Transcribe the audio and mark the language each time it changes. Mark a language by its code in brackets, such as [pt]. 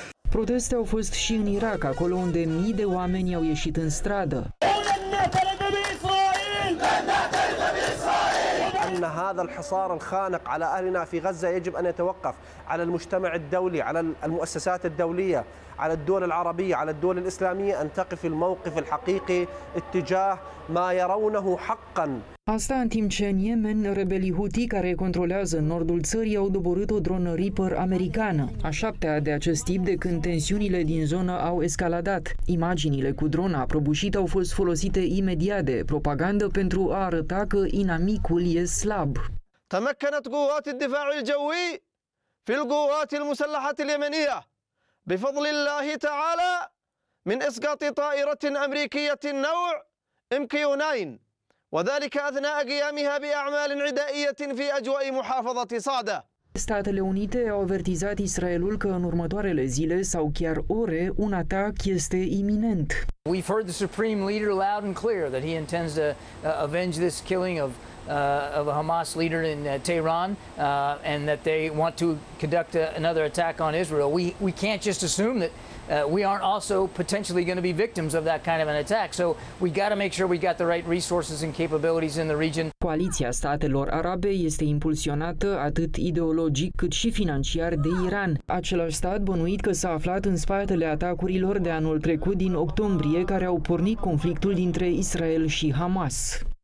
[ro] Proteste au fost și în Irak, acolo unde mii de oameni au ieșit în stradă. [ar] أن هذا الحصار الخانق على أهلنا في غزة يجب أن يتوقف على المجتمع الدولي على المؤسسات الدولية على الدول العربية على الدول الإسلامية أن تقف الموقف الحقيقي اتجاه ما يرونه حقا. [ro] Asta în timp ce în Yemen, rebelii Houthi care controlează nordul țării au doborât o dronă Reaper americană. A șaptea de acest tip de când tensiunile din zonă au escaladat. Imaginile cu drona prăbușită au fost folosite imediat de propagandă pentru a arăta că inamicul e slab. [ar] تمكنت قوات الدفاع الجوي في القوات المسلحة اليمنية بفضل الله تعالى من إسقاط طائرة أمريكية نوع MQ-9. وذلك أثناء قيامها بأعمال عدائية في أجواء محافظة صعدة. [ro] Statele Unite au avertizat Israelul că în următoarele zile sau chiar ore un atac este iminent. [en] We've heard the supreme leader loud and clear that he intends to avenge this killing of a Hamas leader in Tehran and that they want to conduct another attack on Israel. We can't just assume that we aren't also potentially going to be victims of that kind of an attack. So we got to make sure we got the right resources and capabilities in the region. [ro] Coaliția statelor arabe este impulsionată atât ideologic cât și financiar de Iran. Același stat bănuit că s-a aflat în spatele atacurilor de anul trecut din octombrie care au pornit conflictul dintre Israel și Hamas.